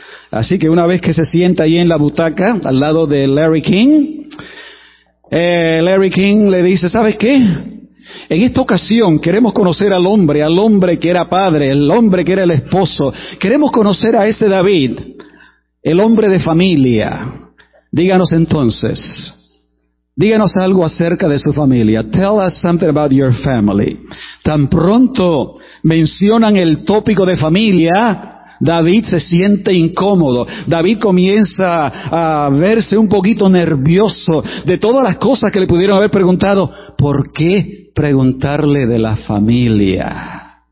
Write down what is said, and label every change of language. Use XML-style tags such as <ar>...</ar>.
<es>Así que una vez que se sienta ahí en la butaca, al lado de Larry King, Larry King le dice, ¿sabes qué? En esta ocasión queremos conocer al hombre que era padre, el hombre que era el esposo. Queremos conocer a ese David, el hombre de familia. Díganos entonces, díganos algo acerca de su familia.</es> <en>Tell us something about your family.</en> <es>Tan pronto mencionan el tópico de familia, David se siente incómodo. David comienza a verse un poquito nervioso de todas las cosas que le pudieron haber preguntado. ¿Por qué preguntarle de la familia?</es>